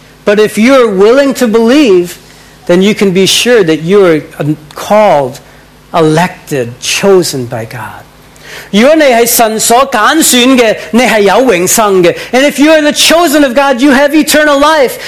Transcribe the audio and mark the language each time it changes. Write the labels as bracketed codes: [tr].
[en] But if you are willing to believe, then you can be sure that you are called, elected, chosen by God. [zh] 如果你是神所拣选的，你是有永生的。 [en] And if you are the chosen of God, you have eternal life.